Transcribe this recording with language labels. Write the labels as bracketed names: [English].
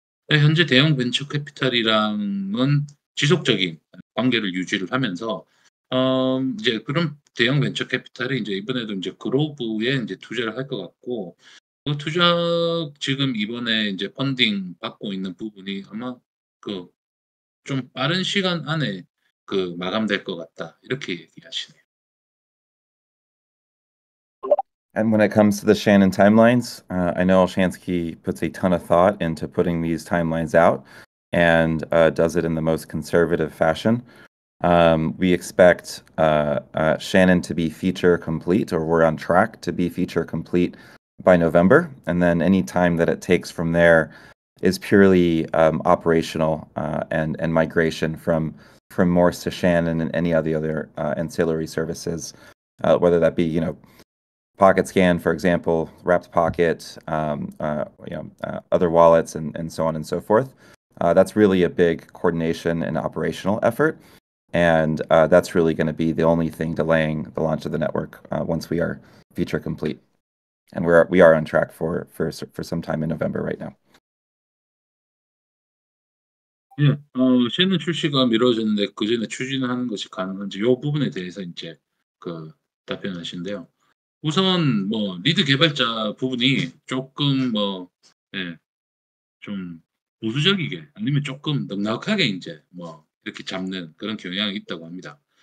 [Korean] 현재 대형 벤처 캐피탈이랑은 지속적인 관계를 유지를 하면서 이제 그런 대형 벤처 캐피탈이 이제 이번에도 이제 그로브에 이제 투자를 할 것 같고 그 투자 지금 이번에 이제 펀딩 받고 있는 부분이 아마 그 좀 빠른 시간 안에 그 마감될 것 같다 이렇게 얘기하시네요. [English] And when it comes to the Shannon timelines, I know Olshansky puts a ton of thought into putting these timelines out and does it in the most conservative fashion. We expect Shannon to be feature complete, or we're on track to be feature complete by November. And then any time that it takes from there is purely operational and migration from Morse to Shannon and any of the other ancillary services, whether that be, you know, Pocket Scan, for example, Wrapped Pocket, other wallets, and so on and so forth. That's really a big coordination and operational effort, and that's really going to be the only thing delaying the launch of the network once we are feature complete, and we are on track for some time in November right now. [Korean] Yeah, 신의 출시가 미뤄졌는데 그 전에 추진하는 것이 가능한지 이 부분에 대해서 이제 그 답변하신데요. 우선 뭐 리드 개발자 부분이 조금 뭐 예 좀 보수적이게 아니면 조금 넉넉하게 이제 뭐 이렇게 잡는 그런 경향이 있다고 합니다.